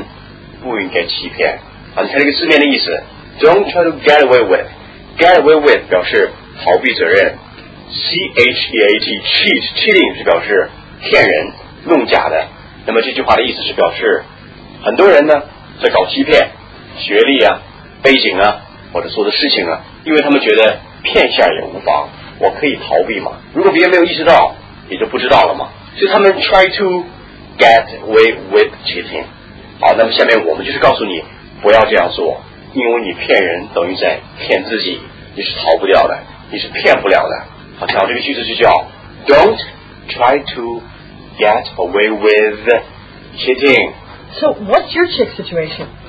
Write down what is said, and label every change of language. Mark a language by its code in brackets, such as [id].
[zh] 它的意思是表示做人不应该欺骗。你看这个字面的意思， [en] Don't try to get away with. Get away with [zh] 表示逃避责任。 C-H-E-A-T, cheat, cheating 是表示骗人、弄假的。那么这句话的意思是表示很多人呢在搞欺骗、学历啊、背景啊 或者做的事情啊，因为他们觉得骗一下也无妨，我可以逃避嘛。如果别人没有意识到，也就不知道了嘛。所以他们 [en] try to get away with cheating。 [zh] 好，那么下面我们就是告诉你不要这样做，因为你骗人等于在骗自己，你是逃不掉的，你是骗不了的。好，像这个句子就叫 [en] Don't try to get away with cheating. So what's your chick situation?